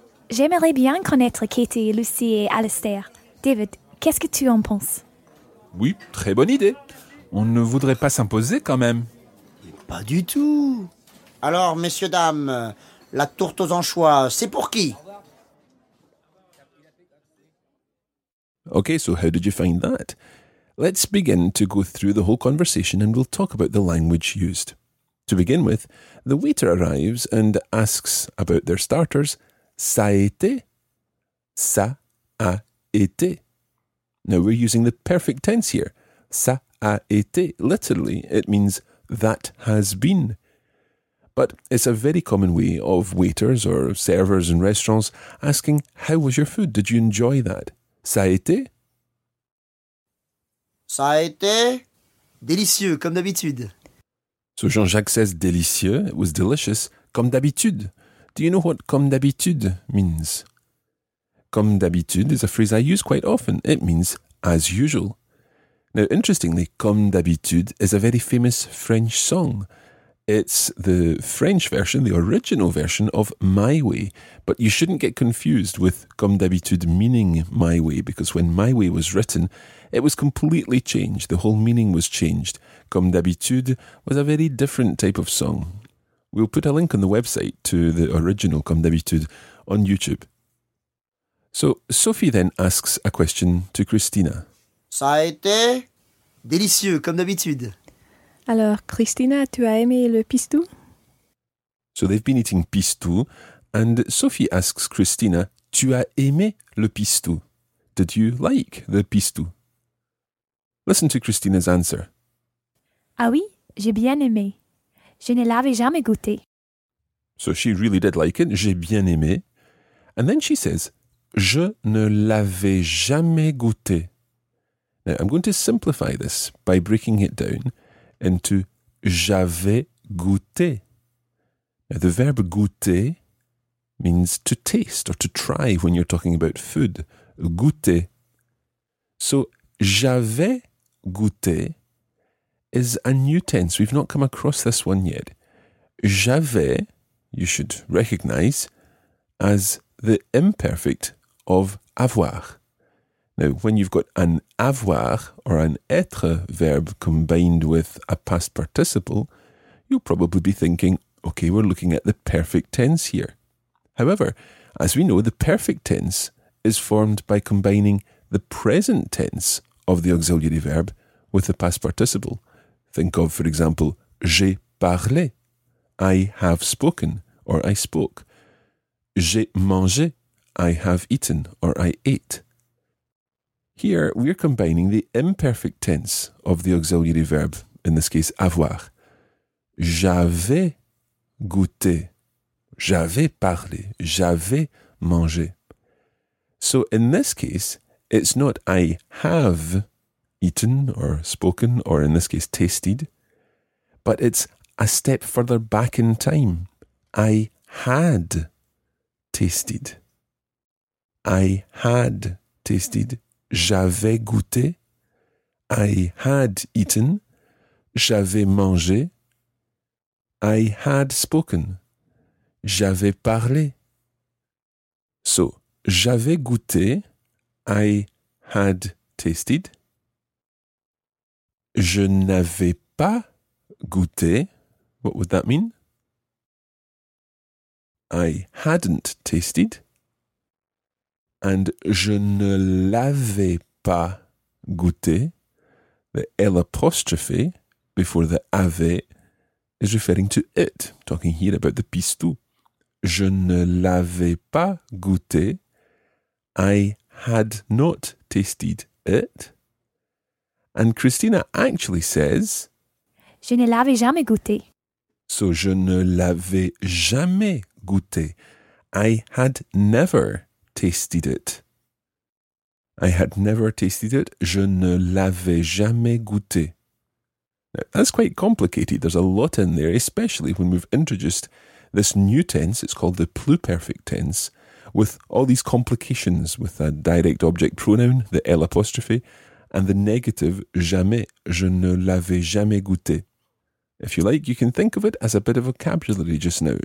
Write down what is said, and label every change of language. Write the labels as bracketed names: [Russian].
[French] J'aimerais bien connaître Katie, Lucy et Alistair. David, qu'est-ce que tu en penses? Oui, très bonne idée. On ne voudrait pas s'imposer quand même. Pas du tout. Alors, messieurs, dames, la tourte aux anchois, c'est pour qui? [English] Okay, so how did you find that? Let's begin to go through the whole conversation and we'll talk about the language used. To begin with, the waiter arrives and asks about their starters. [French] Ça a été? Ça a été. [English] Now we're using the perfect tense here. [French] Ça a été. [English] Literally, it means that has been. But it's a very common way of waiters or servers in restaurants asking, how was your food? Did you enjoy that? [French] Ça a été? Ça a été délicieux, comme d'habitude. [English] So Jean-Jacques says délicieux, it was delicious, [French] comme d'habitude. [English] Do you know what [French] comme d'habitude [English] means? Comme d'habitude is a phrase I use quite often. It means as usual. Now, interestingly, comme d'habitude is a very famous French song. It's the French version, the original version of My Way, but you shouldn't get confused with comme d'habitude meaning my way, because when My Way was written, it was completely changed. The whole meaning was changed. Comme d'habitude was a very different type of song. We'll put a link on the website to the original comme d'habitude on YouTube. So Sophie then asks a question to Christina. [French] Ça a été délicieux, comme d'habitude. Alors, Christina, tu as aimé le pistou? [English] So they've been eating pistou, and Sophie asks Christina, [French] tu as aimé le pistou? [English] Did you like the pistou? Listen to Christina's answer. [French] Ah oui, j'ai bien aimé. Je ne l'avais jamais goûté. [English] So she really did like it, [French] j'ai bien aimé. [English] And then she says, [French] Je ne l'avais jamais goûté. [English] Now, I'm going to simplify this by breaking it down into [French] j'avais goûté. [English] Now, the verb goûter means to taste or to try when you're talking about food. Goûter. So, [French] j'avais goûté [English] is a new tense. We've not come across this one yet. J'avais, you should recognize, as the imperfect of avoir. Now, when you've got an avoir or an être verb combined with a past participle, you'll probably be thinking, okay, we're looking at the perfect tense here. However, as we know, the perfect tense is formed by combining the present tense of the auxiliary verb with the past participle. Think of, for example, [French] j'ai parlé, [English] I have spoken, or I spoke. [French] J'ai mangé, [English] I have eaten, or I ate. Here, we're combining the imperfect tense of the auxiliary verb, in this case, avoir. [French] J'avais goûté, j'avais parlé, j'avais mangé. [English] So, in this case, it's not I have eaten, or spoken, or in this case, tasted, but it's a step further back in time. I had tasted. I had tasted. [French] J'avais goûté. [English] I had eaten. [French] J'avais mangé. [English] I had spoken. [French] J'avais parlé. So, j'avais goûté. [English] I had tasted. [French] Je n'avais pas goûté. [English] What would that mean? I hadn't tasted. [French] And je ne l'avais pas goûté. [English] The L apostrophe before the avait is referring to it, talking here about the pistou. [French] Je ne l'avais pas goûté. [English] I had not tasted it. And Christina actually says, [French] je ne l'avais jamais goûté. So, je ne l'avais jamais goûté. [English] I had never tasted it. I had never tasted it. [French] Je ne l'avais jamais goûté. [English] Now, that's quite complicated. There's a lot in there, especially when we've introduced this new tense. It's called the pluperfect tense, with all these complications with a direct object pronoun, the L apostrophe, and the negative jamais. [French] Je ne l'avais jamais goûté. [English] If you like, you can think of it as a bit of vocabulary just now.